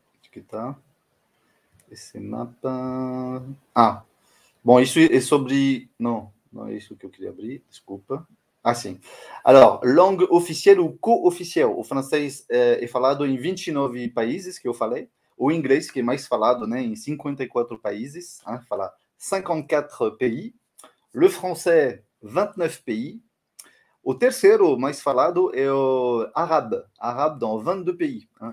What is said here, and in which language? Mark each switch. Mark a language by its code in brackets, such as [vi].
[pt] Que tá esse mapa? Ah, bom, isso é sobre. Não, não é isso que eu queria abrir. Desculpa. Ah, sim. [fr] Alors, langue officielle ou co-officielle? [pt] O francês é falado em 29 países, que eu falei. O inglês, que é mais falado, né, em 54 países. [fr] Hein, falar 54 pays. Le français, 29 pays. [pt] O terceiro mais falado é o árabe. Árabe, [fr] dans 22 pays. [pt] Hein?